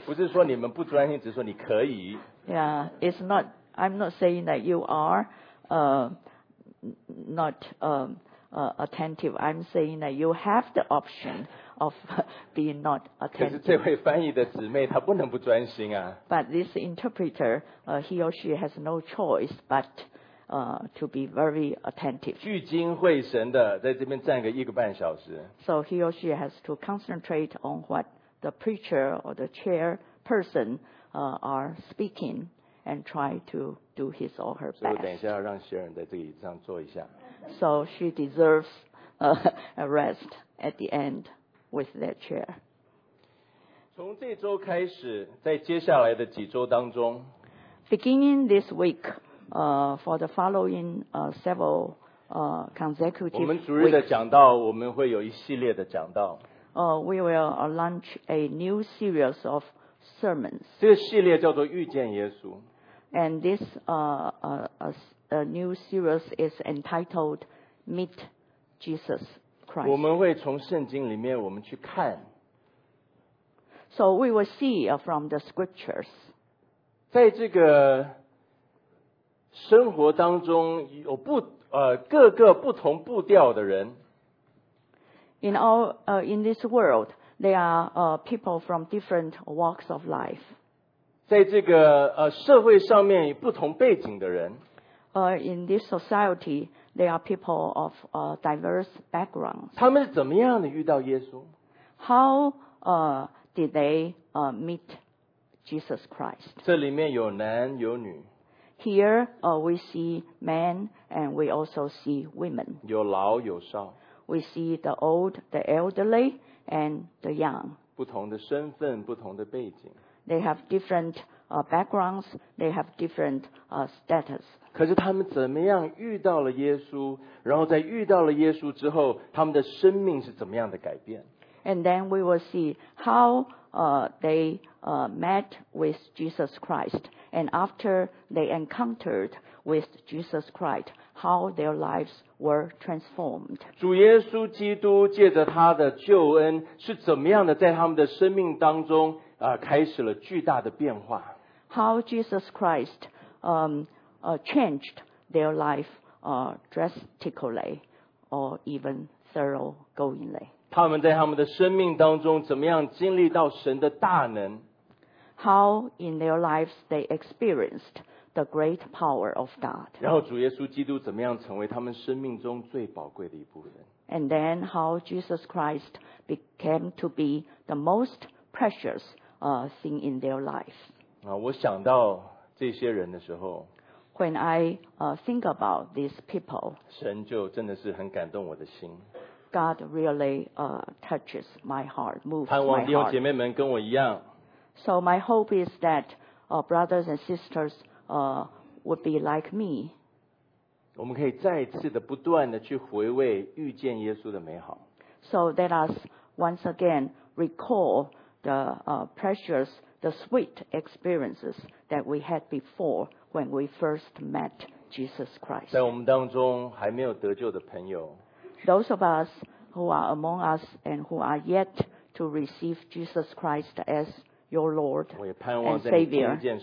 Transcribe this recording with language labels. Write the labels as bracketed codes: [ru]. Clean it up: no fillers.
[zh] 不是说你们不专心，只是说你可以。 [en] Yeah, it's not. I'm not saying that you are not attentive. I'm saying that you have the option of being not attentive. [zh] 可是这位翻译的姊妹，她不能不专心啊。 [en] But this interpreter, he or she has no choice but to be very attentive. [zh] 聚精会神的在这边站个一个半小时。 [en] So he or she has to concentrate on what the preacher or the chairperson are speaking and try to do his or her best. [zh] 所以我等一下要让Sharon在这个椅子上坐一下。 [en] So she deserves a rest at the end with that chair. [zh] 从这周开始，在接下来的几周当中 [en] ，Beginning this week. For the following several consecutive weeks, we will launch a new series of sermons. [zh] 这个系列叫做遇见耶稣。 [en] And this new series is entitled Meet Jesus Christ. [zh] 我们会从圣经里面我们去看。 [en] So we will see from the scriptures. [zh] 在这个生活当中有各个不同步调的人。 [en] In all, in this world, there are people from different walks of life. [zh] 在这个社会上面有不同背景的人。 [en] In this society, there are people of diverse backgrounds. [zh] 他们是怎么样的遇到耶稣 [en] ？How did they meet Jesus Christ? [zh] 这里面有男有女。 [en] Here we see men and we also see women. [zh] 有老有少。 [en] We see the old, the elderly, and the young. [zh] 不同的身份，不同的背景。 [en] They have different backgrounds. They have different status. [zh] 可是他们怎么样遇到了耶稣？然后在遇到了耶稣之后，他们的生命是怎么样的改变 [en] ？And then we will see how they met with Jesus Christ. And after they encountered with Jesus Christ, how their lives were transformed. [zh] 主耶稣基督借着他的救恩是怎么样的在他们的生命当中开始了巨大的变化。 [en] How Jesus Christ changed their life drastically or even thoroughgoingly. [zh] 他们在他们的生命当中怎么样经历到神的大能。 [en] How in their lives they experienced the great power of God. [zh] 然后主耶稣基督怎么样成为他们生命中最宝贵的一部分 [en] ？And then how Jesus Christ became to be the most precious thing in their life. [zh] 啊，我想到这些人的时候 [en] ，When I think about these people, [zh] 神就真的是很感动我的心。 [en] God really touches my heart, moves my heart. [zh] 盼望弟兄姐妹们跟我一样。 [en] So my hope is that brothers and sisters would be like me. [zh] 我们可以再次的不断的去回味遇见耶稣的美好。 [en] So let us once again recall the precious, the sweet experiences that we had before when we first met Jesus Christ. [zh] 在我们当中还没有得救的朋友。 [en] Those of us who are among us and who are yet to receive Jesus Christ as your Lord and Savior.